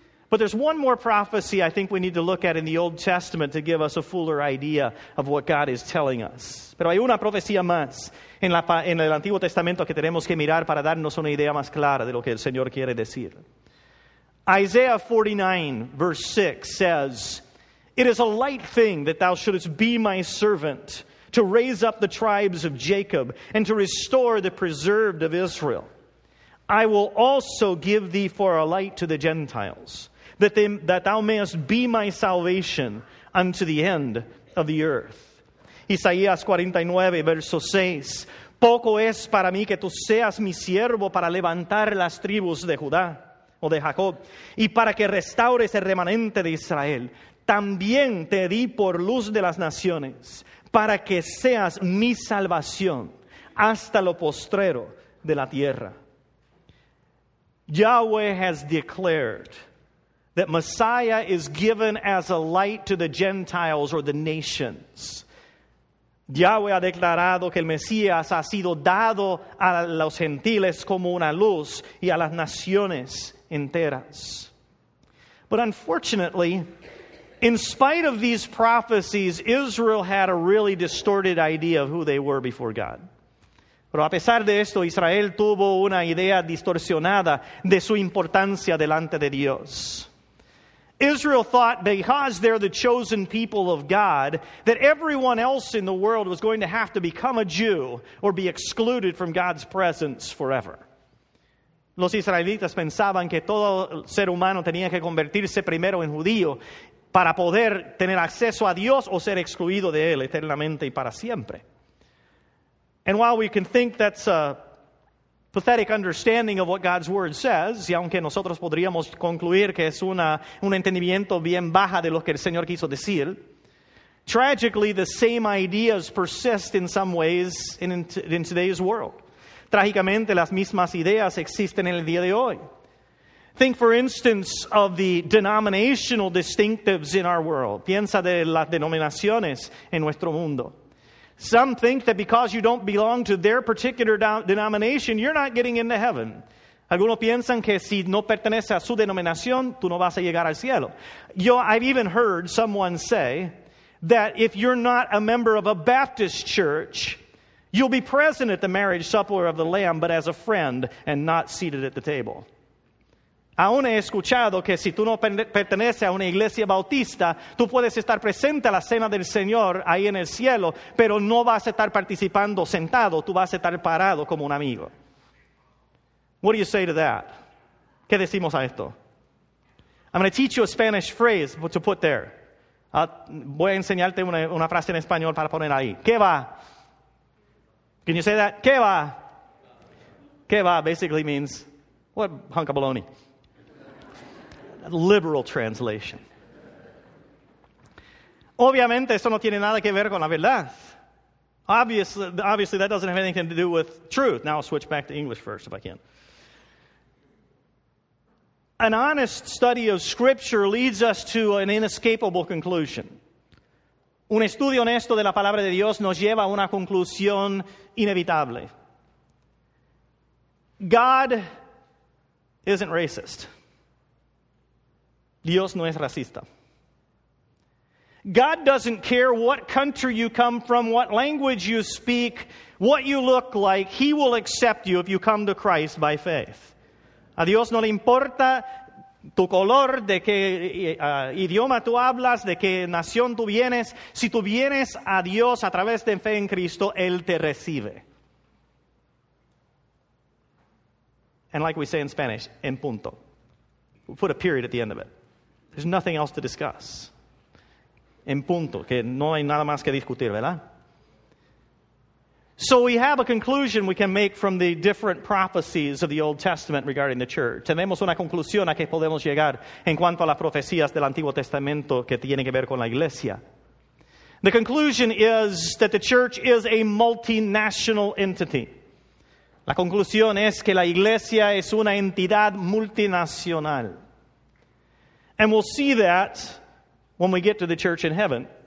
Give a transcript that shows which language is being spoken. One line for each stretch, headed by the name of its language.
English: But there's one more prophecy I think we need to look at in the Old Testament to give us a fuller idea of what God is telling us.
Spanish: Pero hay una profecía más en el Antiguo Testamento que tenemos que mirar para darnos una idea más clara de lo que el Señor quiere decir.
English: Isaiah 49, verse 6 says, "It is a light thing that thou shouldest be my servant to raise up the tribes of Jacob and to restore the preserved of Israel. I will also give thee for a light to the Gentiles, that thou mayest be my salvation unto the end of the earth."
Spanish: Isaías 49, verso 6, "Poco es para mí que tú seas mi siervo para levantar las tribus de Judá o de Jacob, y para que restaures el remanente de Israel. También te di por luz de las naciones, para que seas mi salvación hasta lo postrero de la tierra."
English: Yahweh has declared that Messiah is given as a light to the Gentiles or the nations.
Spanish: Yahweh ha declarado que el Mesías ha sido dado a los gentiles como una luz y a las naciones enteras.
English: But unfortunately, in spite of these prophecies, Israel had a really distorted idea of who they were before God.
Spanish: Pero a pesar de esto, Israel tuvo una idea distorsionada de su importancia delante de Dios.
English: Israel thought, because they're the chosen people of God, that everyone else in the world was going to have to become a Jew or be excluded from God's presence forever.
Spanish: Los israelitas pensaban que todo ser humano tenía que convertirse primero en judío para poder tener acceso a Dios o ser excluido de él eternamente y para siempre.
English: And while we can think that's a pathetic understanding of what God's word says,
Spanish: y aunque nosotros podríamos concluir que es un entendimiento bien baja de lo que el Señor quiso decir,
English: tragically, the same ideas persist in some ways in today's world.
Spanish: Trágicamente, las mismas ideas existen en el día de hoy.
English: Think, for instance, of the denominational distinctives in our world.
Spanish: Piensa de las denominaciones en nuestro mundo.
English: Some think that because you don't belong to their particular denomination, you're not getting into heaven.
Spanish: Algunos piensan que si no perteneces a su denominación, tú no vas a llegar al cielo.
English: I've even heard someone say that if you're not a member of a Baptist church, you'll be present at the marriage supper of the Lamb, but as a friend and not seated at the table.
Spanish: Aún he escuchado que si tú no perteneces a una iglesia bautista, tú puedes estar presente a la cena del Señor ahí en el cielo, pero no vas a estar participando sentado, tú vas a estar parado como un amigo.
English: What do you say to that?
Spanish: ¿Qué decimos a esto?
English: I'm going to teach you a Spanish phrase to put there.
Spanish: Voy a enseñarte una frase en español para poner ahí. ¿Qué va?
English: Can you say that?
Spanish: ¿Qué va? ¿Qué va?
English: Basically means, what hunk of baloney? Liberal translation.
Spanish: Obviamente, eso no tiene nada que ver con la verdad.
English: Obviously, that doesn't have anything to do with truth. Now I'll switch back to English first if I can. An honest study of Scripture leads us to an inescapable conclusion.
Spanish: Un estudio honesto de la palabra de Dios nos lleva a una conclusión inevitable.
English: God isn't racist.
Spanish: Dios no es racista.
English: God doesn't care what country you come from, what language you speak, what you look like. He will accept you if you come to Christ by faith.
Spanish: A Dios no le importa tu color, de qué idioma tú hablas, de qué nación tú vienes. Si tú vienes a Dios a través de fe en Cristo, Él te recibe.
English: And like we say in Spanish,
Spanish: en punto.
English: We put a period at the end of it. There's nothing else to discuss.
Spanish: En punto, que no hay nada más que discutir, ¿verdad?
English: So we have a conclusion we can make from the different prophecies of the Old Testament regarding the church.
Spanish: Tenemos una conclusión a que podemos llegar en cuanto a las profecías del Antiguo Testamento que tienen que ver con la iglesia.
English: The conclusion is that the church is a multinational entity.
Spanish: La conclusión es que la iglesia es una entidad multinacional.
English: And we'll see that when we get to the church in heaven.